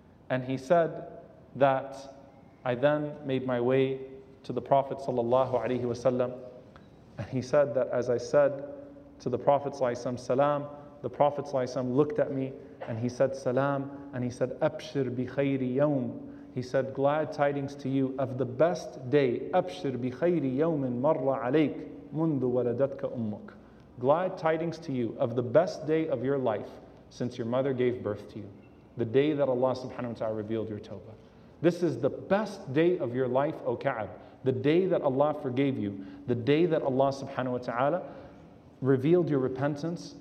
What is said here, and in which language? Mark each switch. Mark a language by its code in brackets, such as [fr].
[en] And he said that I then made my way to the Prophet sallallahu alayhi wa sallam. And he said that as I said to the Prophet sallallahu alayhi wa sallam, salam, the Prophet sallallahu alayhi wa sallam looked at me and he said, salam, and he said, abshir bi khayri yawm. He said, glad tidings to you of the best day. [ar] أبشر بخير يوم مر عليك منذ ولدتك أمك. [en] Glad tidings to you of the best day of your life since your mother gave birth to you. The day that Allah subhanahu wa ta'ala revealed your tawbah. This is the best day of your life, O Ka'ab. The day that Allah forgave you. The day that Allah subhanahu wa ta'ala revealed your repentance.